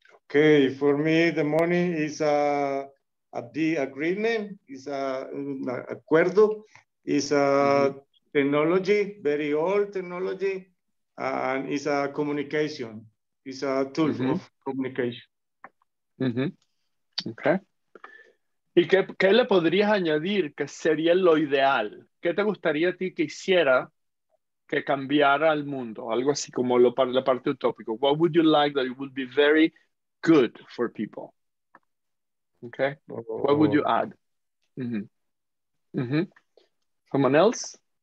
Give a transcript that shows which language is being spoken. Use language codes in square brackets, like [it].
[en] Okay, for me, the money is the agreement, is an acuerdo, is a technology, very old technology, and is a communication, is a tool of communication. Okay. [es] ¿Y qué le podrías añadir que sería lo ideal? ¿Qué te gustaría a ti que hiciera que cambiara el mundo? Algo así como lo, la parte utópica. [en] What would you like that it would be very good for people? Okay. Oh. What would you add? Someone else?